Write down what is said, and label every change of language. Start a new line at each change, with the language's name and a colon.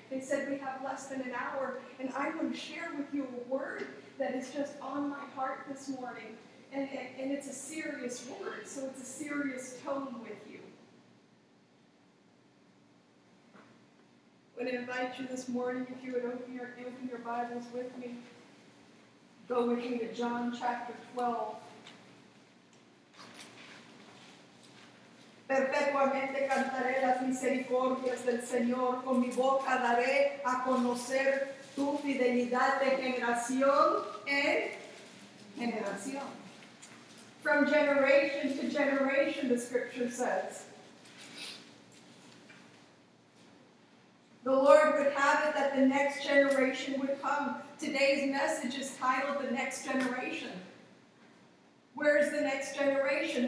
English: They said we have less than an hour. And I want to share with you a word that is just on my heart this morning, and it's a serious word, so it's a serious tone with you. I want to invite you this morning, if you would open your Bibles with me, go with me to John chapter 12.
Spanish: Perpetuamente cantaré las misericordias del Señor, con mi boca daré a conocer tu fidelidad de generación en generación.
English: From generation to generation, the scripture says. The Lord would have it that the next generation would come. Today's message is titled The Next Generation. Where's the next generation?